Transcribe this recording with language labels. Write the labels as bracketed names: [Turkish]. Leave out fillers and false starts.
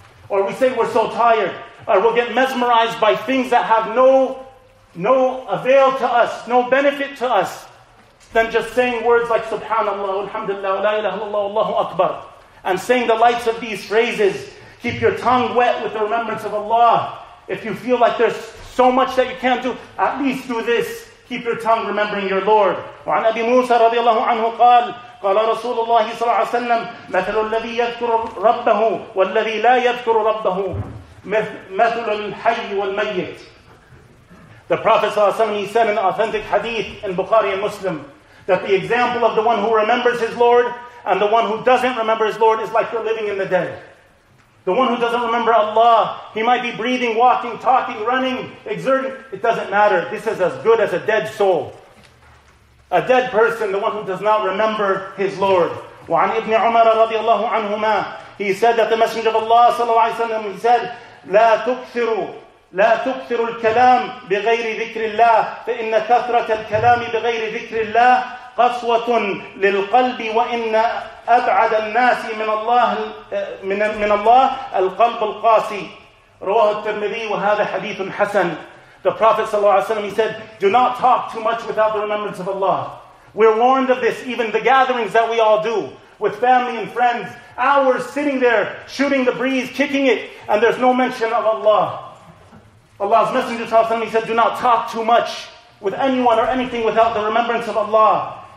[English] Or we say we're so tired, or we'll get mesmerized by things that have no avail to us, no benefit to us, than just saying words like Subhanallah, Alhamdulillah, La ilaha illallah, Allahu Akbar, and saying the likes of these phrases. Keep your tongue wet with the remembrance of Allah. If you feel like there's so much that you can't do, at least do this. Keep your tongue remembering your Lord. [Arabic] وعن أبي موسى رضي الله عنه قال قال رسول الله صلى الله عليه وسلم مثل الذي يذكر ربه والذي لا يذكر ربه مثل الحي والميت. [English] The Prophet ﷺ, he said in authentic hadith in Bukhari and Muslim, that the example of the one who remembers his Lord and the one who doesn't remember his Lord is like the living and the dead. The one who doesn't remember Allah, he might be breathing, walking, talking, running, exerting, it doesn't matter. This is as good as a dead soul. A dead person, the one who does not remember his Lord. [Arabic] وعن ابن عمر رضي الله عنهما, [English] he said that the Messenger of Allah [Arabic] صلى الله عليه وسلم, [English] he said, [Arabic] لا تكثروا لا تكثروا الكلام بغير ذكر الله فإن كثرة الكلام بغير ذكر الله قسوة للقلب وإن أبعد الناس من الله من الله القلب القاسي. رواه الترمذي وهذا حديث حسن. [English] The Prophet [Arabic] صلى الله عليه وسلم, [English] he said, do not talk too much without the remembrance of Allah. We're warned of this, even the gatherings that we all do with family and friends, hours sitting there, shooting the breeze, kicking it, and there's no mention of Allah. Allah's Messenger [Arabic] صلى الله عليه وسلم, [English] he said, do not talk too much with anyone or anything without the remembrance of Allah.